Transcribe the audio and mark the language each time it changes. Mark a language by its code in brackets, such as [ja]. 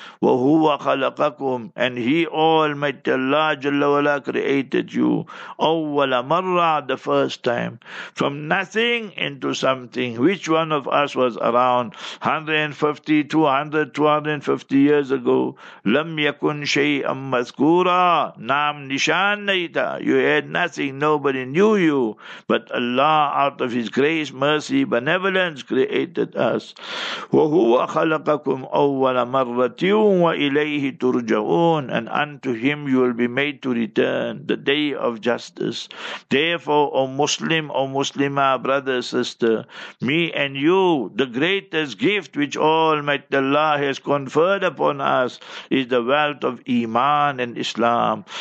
[ar] وَهُوَ خَلَقَكُمْ. [en] And He, Almighty Allah Jalla Wala, created you. [ar] أَوَّلَ مَرَّ. [en] The first time, from nothing into something. Which one of us was around 150, 200, 250 years ago? [ar] لم يكن شيئا مذكورا [ur] نام نشان نيتا. [en] You had nothing, nobody knew you, but Allah out of His grace, mercy, benevolence created us. [ar] وهو خلقكم أول مرة وإليه ترجعون. [en] And unto Him you will be made to return. The day of justice. Therefore, O Muslim, O Muslimah, brother, sister, me and you, the greatest gift which Almighty Allah has conferred upon us is the wealth of Iman and Islam.